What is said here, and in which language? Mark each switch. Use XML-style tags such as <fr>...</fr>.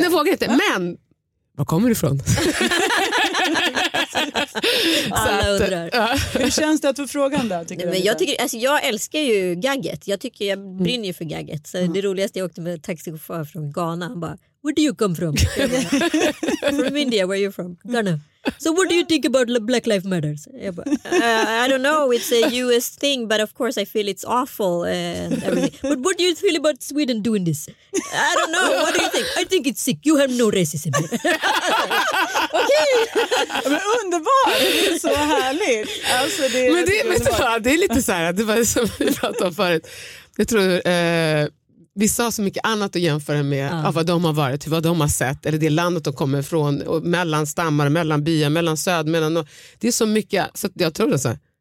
<sv>Nej, vågar inte. Va? Men, var kommer du ifrån? Alla undrar. Hur känns det att få frågan där? Tycker nej, men jag, tycker, alltså, jag älskar ju gagget. Jag brinner ju för gagget. Så det roligaste, jag åkte med taxichaufför från Ghana. Han bara,</sv> <en>where do you come from? From India, where are you from? Ghana. So what do you think about Black Lives Matter? I don't know, it's a US thing, but of course I feel it's awful. And everything. But what do you feel about Sweden doing this? I don't know, what do you think? I think it's sick, you have no racism.</en> <sv>Okej! Men underbart, det är så härligt. Alltså, det är men det, vet du vad, det är lite så här, det var som vi pratade om förut. Jag tror... Vissa har så mycket annat att jämföra med av vad de har varit, vad de har sett eller det landet de kommer ifrån, och mellan stammar, mellan byar, mellan söd, mellan det är så mycket, så jag tror det så här,</sv>